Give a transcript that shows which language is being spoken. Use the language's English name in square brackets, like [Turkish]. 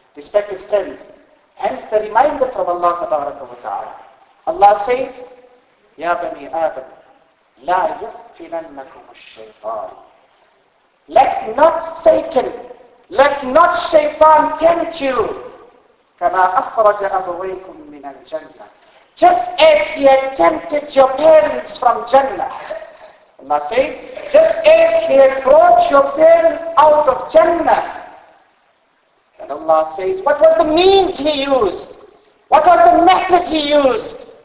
[English] Respected friends, hence the reminder from Allah tabaraka wa ta'ala. Allah says, [Arabic] Ya Bani Adam, la yufinannakum ash-shaytan. [English] Let not Satan, let not Shaytan tempt you. [Arabic] كما أخرج أبويكم من الجنة. [English] Just as he had tempted your parents from Jannah. Allah says, just as he had brought your parents out of Jannah. And Allah says, what was the means he used? What was the method he used?